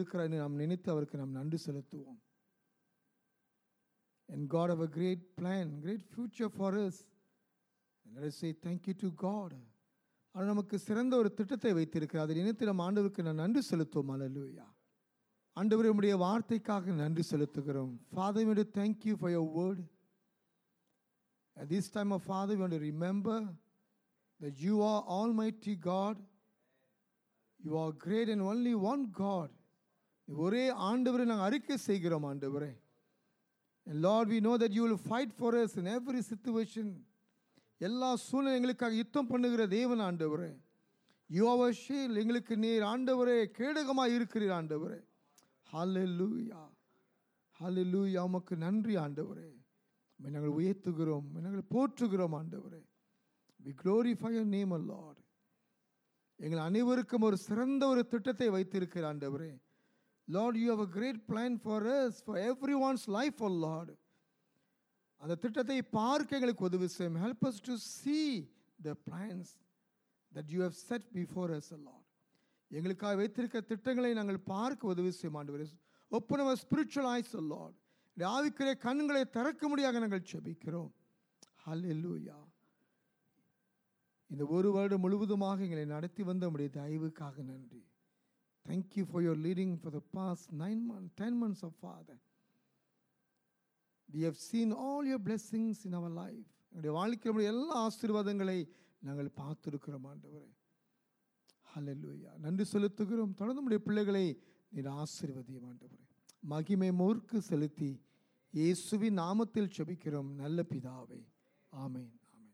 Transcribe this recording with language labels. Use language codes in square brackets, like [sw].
[en] And God have a great plan, great future for us. And let us say thank you to God. [ta] நமக்கு சிறந்த ஒரு திட்டத்தை வைத்திருக்கிறார். அதில் இனத்திலும் ஆண்டவருக்கு நான் நன்றி செலுத்துவோம். அல்லேலூயா. ஆண்டவர் உம்முடைய வார்த்தைக்காக நன்றி செலுத்துகிறோம். [en] Father, we want to thank you for your word. At this time of Father, we want to remember that you are Almighty God. You are great and only one God. [ta] ஒரே ஆண்டவரை நாங்கள் அறிக்கை செய்கிறோம் ஆண்டவரே. [en] And Lord, we know that you will fight for us in every situation. [ta] எல்லா சூழ்நிலைகளுக்காக யுத்தம் பண்ணுகிற தேவன் ஆண்டவரே, யுவர்ஷீல் எங்களுக்கு நீர் ஆண்டவரே கேடகமாக இருக்கிறீர் ஆண்டவரே. ஹல்லேலூயா, ஹல்லேலூயா. உமக்கு நன்றி ஆண்டவரே. நாங்கள் உயர்த்துகிறோம், நாங்கள் போற்றுகிறோம் ஆண்டவரே. [en] We glorify your name O Lord. [ta] எங்கள் அனைவருக்கும் ஒரு சிறந்த ஒரு திட்டத்தை வைத்திருக்கிற ஆண்டவரே. [en] Lord, you have a great plan for us, for every one's life [ta] O Lord. அந்த திட்டத்தை பார்க்க எங்களுக்கு உதவி செய்யும். [en] Help us to see the plans that you have set before us O Lord. [ta] எங்களுக்காக வைத்திருக்க திட்டங்களை நாங்கள் பார்க்க உதவி செய்யும் ஆண்டவரே. [en] Open our spiritual eyes O Lord. [ta] ஆவிக்குரிய கண்களை திறக்க முடியாக நாங்கள் ஜெபிக்கிறோம். ஹல்லேலூயா. இந்த ஒரு வருடம் முழுவதுமாக எங்களை நடத்தி வந்த உடைய தயவுக்காக நன்றி. [en] Thank you for your leading for the past 9 months, 10 months of Father. We have seen all your blessings in our life. [ta] எங்களுடைய வாழ்க்கையில் உள்ள எல்லா ஆசீர்வாதங்களை நாங்கள் பார்த்துருக்கிறோம் ஆண்டவரே. ஹல்லேலூயா. நன்றி செலுத்துகிறோம். தொடர்ந்து நம்முடைய பிள்ளைகளை நீர் ஆசீர்வதியும் ஆண்டவரே. மகிமை மூர்க்கு செலுத்தி இயேசுவின் நாமத்தில் செபிக்கிறோம் நல்ல பிதாவே. ஆமேன்.